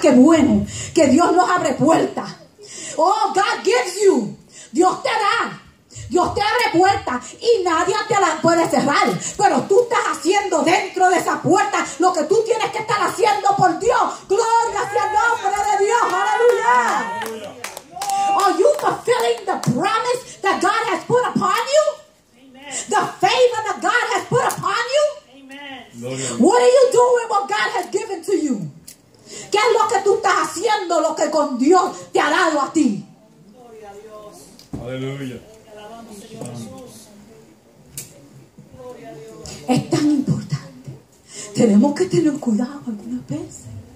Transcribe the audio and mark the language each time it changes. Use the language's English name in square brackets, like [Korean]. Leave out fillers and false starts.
[Spanish] Qué bueno que Dios nos abre puertas. [English] Oh, God gives you. [Spanish] Dios te da. Dios te abre puertas y nadie te la puede cerrar. Pero tú estás haciendo dentro de esa puerta lo que tú tienes que estar haciendo por Dios. Gloria sea el nombre de Dios. Aleluya. [English] Are you fulfilling the promise that God has put upon you? Amen. The favor that God has put upon you? Amen. What are you doing with what God has given to you? [Spanish] ¿Qué es lo que tú estás haciendo, lo que con Dios te ha dado a ti? Gloria a Dios. Aleluya. Te alabamos, Señor Jesús. Gloria a Dios. Es tan importante. Tenemos que tener cuidado algunas veces.